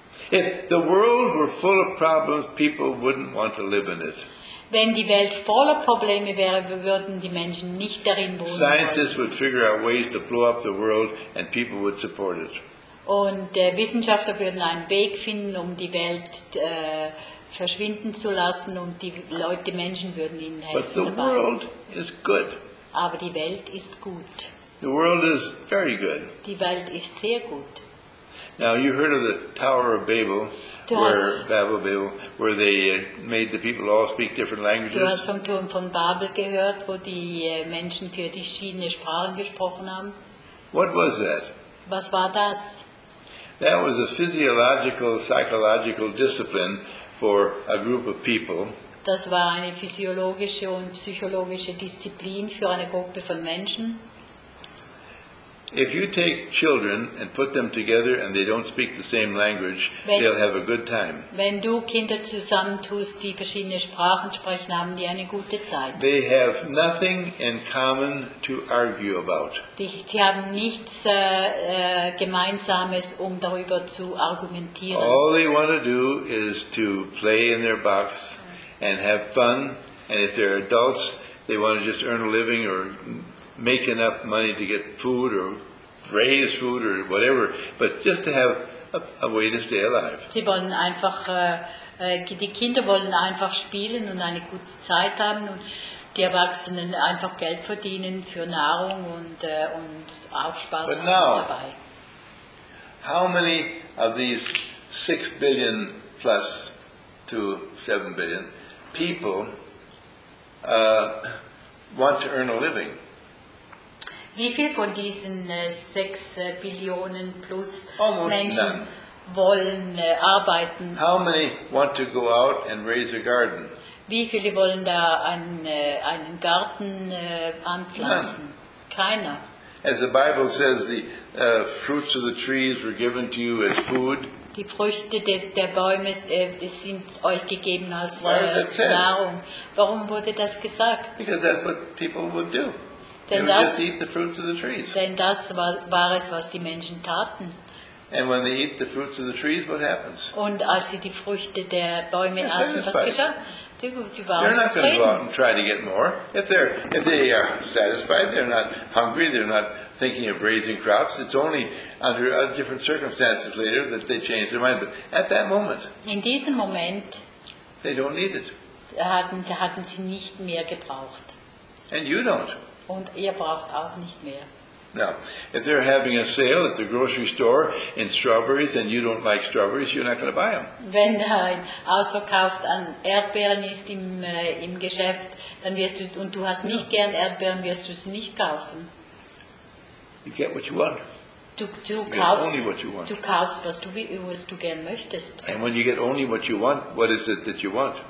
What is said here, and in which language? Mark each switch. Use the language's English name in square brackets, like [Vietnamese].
[English] If the world were full of problems, people wouldn't want to live in it. [German] Wenn die Welt voller Probleme wäre, würden die Menschen nicht darin wohnen. [English] Scientists would figure out ways to blow up the world, and people would support it. [German] Und Wissenschaftler würden einen Weg finden, um die Welt verschwinden zu lassen, und die Leute, Menschen würden ihnen helfen. [English] But the world is good. [German] Aber die Welt ist gut. [English] The world is very good. [German] Die Welt ist sehr gut. [English] Now you heard of the Tower of Babel, where Babel, where they made the people all speak different languages. [German] Du hast vom Turm von Babel gehört, wo die Menschen für die verschiedene Sprachen gesprochen haben. [English] What was that? [German] Was war das? [English] That was a physiological, psychological discipline for a group of people. [German] Das war eine physiologische und psychologische Disziplin für eine Gruppe von Menschen. [English] If you take children and put them together and they don't speak the same language, they'll have a good time. [German] Wenn du Kinder zusammentust, die verschiedene Sprachen sprechen, haben die eine gute Zeit. [English] They have nothing in common to argue about. [German] Sie haben nichts Gemeinsames, um darüber zu argumentieren. [English] All they want to do is to play in their box and have fun. And if they're adults, they want to just earn a living or make enough money to get food or raise food or whatever, but just to have a way to stay alive. [German] Sie wollen einfach, die Kinder wollen einfach spielen und eine gute Zeit haben, und die Erwachsenen einfach Geld verdienen für Nahrung und auch Spaß haben dabei. [English] How many of these 6 billion plus to 7 billion people want to earn a living? [German] Wie viele von diesen 6 Billionen plus Menschen wollen arbeiten? [English] How many want to go out and raise a garden? [German] Wie viele wollen da einen Garten anpflanzen? [English] None. [German] Keiner. [English] As the Bible says, the fruits of the trees were given to you as food. [German] Die Früchte der Bäume sind euch gegeben als Nahrung. Warum wurde das gesagt? [English] Because that's what people would do. They would just eat the fruits of the trees. [German] Denn das war es, was die Menschen taten. [English] And when they eat the fruits of the trees, what happens? [German] Und als sie die Früchte der Bäume essen, was geschah? [English] They're not going to go out and try to get more. If they are satisfied, they're not hungry, they're not thinking of raising crops. It's only under different circumstances later that they change their mind. But at that moment, [German] in diesem Moment, [English] they don't need it. [German] Hatten sie nicht mehr gebraucht. [English] And you don't. [German] Und ihr braucht auch nicht mehr. [English] Now, if they're having a sale at the grocery store in strawberries and you don't like strawberries, you're not going to buy them. [German] Wenn ein Ausverkauf an Erdbeeren ist im Geschäft, dann wirst du, und du hast nicht gern Erdbeeren, wirst du sie nicht kaufen. [English] You get what you want. [German] Du kaufst, was du gern möchtest. [English] And when you get only what you want, what is it that you want?